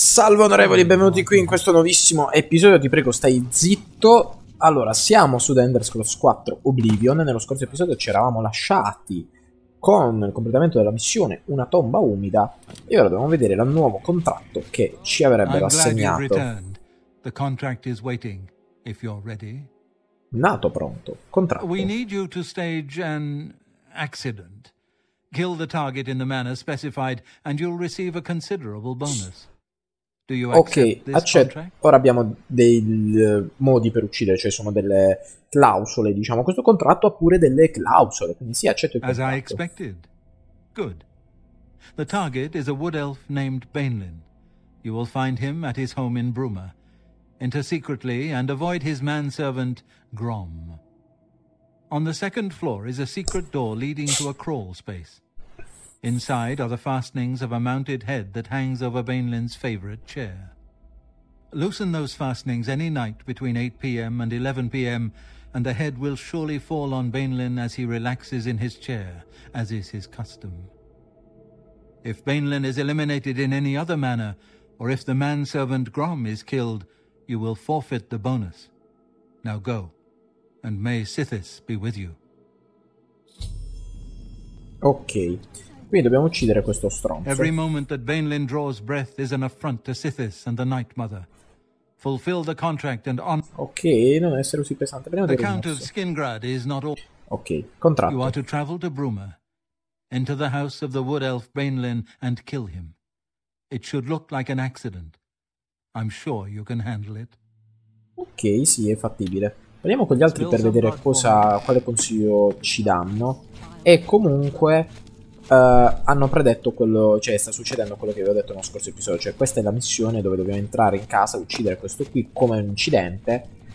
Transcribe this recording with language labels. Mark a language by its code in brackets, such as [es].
[it] Salve onorevoli, benvenuti qui in questo nuovissimo episodio. Ti prego, stai zitto. Allora, siamo su The Elder Scrolls 4 Oblivion. Nello scorso episodio ci eravamo lasciati con il completamento della missione Una tomba umida. E ora dobbiamo vedere il nuovo contratto che ci avrebbero assegnato. [en] The contract is waiting, if you're ready. [it] Nato pronto, contratto. [en] We need you to stage an accident. Kill the target in the manner specified and you'll receive a considerable bonus. Do you accept this contract? [it] Ora abbiamo dei modi per uccidere, cioè sono delle clausole, diciamo. Questo contratto ha pure delle clausole, quindi sì, accetto il contratto. [en] As I expected. Good. The target is a wood elf named Bainlin. You will find him at his home in Bruma. Enter secretly and avoid his manservant, Grom. On the second floor is a secret door leading to a crawl space. Inside are the fastenings of a mounted head that hangs over Bainlin's favorite chair. Loosen those fastenings any night between 8 p.m. and 11 p.m. and the head will surely fall on Bainlin as he relaxes in his chair, as is his custom. If Bainlin is eliminated in any other manner, or if the manservant Grom is killed, you will forfeit the bonus. Now go, and may Sithis be with you. [it] Ok, quindi dobbiamo uccidere questo stronzo. [en] Every moment that Bainlin draws breath is an affront to Sithis and the Night Mother. Fulfill the contract and honor. [it] Ok, non essere così pesante. Prima [en] the Count of Skingrad is not all. [it] Ok, contratto. [en] You are to travel to Bruma, enter the house of the wood elf Bainlin and kill him. It should look like an accident. I'm sure you can handle it. [it] Ok, sì, è fattibile. Parliamo con gli altri per vedere quale consiglio ci danno. E comunque hanno predetto quello, cioè sta succedendo quello che vi ho detto nello scorso episodio, cioè questa è la missione dove dobbiamo entrare in casa, uccidere questo qui come un incidente.